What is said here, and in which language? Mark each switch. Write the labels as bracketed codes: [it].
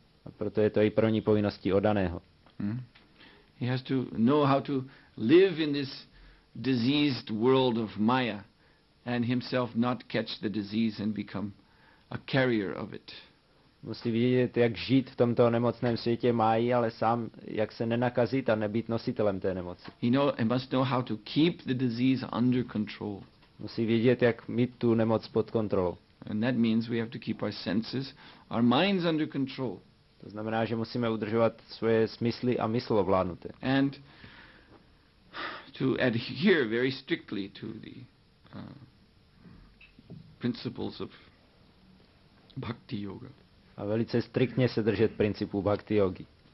[cs] A proto je to i první povinností oddaného. [en] He has to know how to live in this diseased world of Maya and himself not catch the disease and become a carrier of it. [cs] Musí vidět, jak žít v tomto nemocném světě mají, ale sám, jak se nenakazit a nebýt nositelem té nemoci. [en] He must know how to keep the disease under control. [cs] Musí vědět, jak mít tu nemoc pod kontrolou. [en] And that means we have to keep our senses, our minds under control. [cs] To znamená, že musíme udržovat svoje smysly a mysl ovládnuté. [en] And to adhere very strictly to the principles of bhakti yoga. [cs] A velice striktně se držet principů bhakti yogi.